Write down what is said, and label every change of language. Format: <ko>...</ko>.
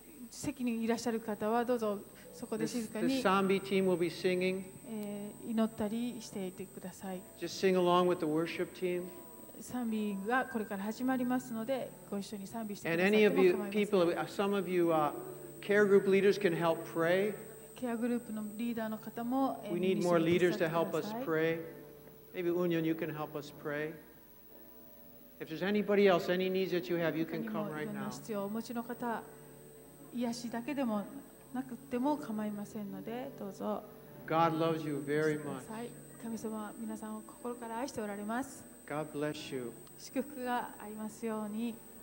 <ja>席にいらっしゃる方はどうぞそこで静かに。</ja> <en>The Sambi team will be singing.</en> <ja>祈ったりしていてください。</ja> <en>Just sing along with the worship team.</en> <ja>賛美がこれから始まりますのでご一緒に賛美してください。</ja> <en>And any of you people, some of you care group leaders can help pray.</en> <ja>ケアグループのリーダーの方も。</ja> <en>We need more leaders to help us pray. Maybe Union, you can help us pray. If there's anybody else, any needs that you have, you can come right now.</en> <ja>他にも必要をお持ちの方、癒しだけでもなくても構いませんので、どうぞ。</ja> <en>God loves you very much.</en> <ja>神様は皆さんを心から愛しておられます。</ja> <en>God bless you.</en> <ja>祝福がありますように。</ja>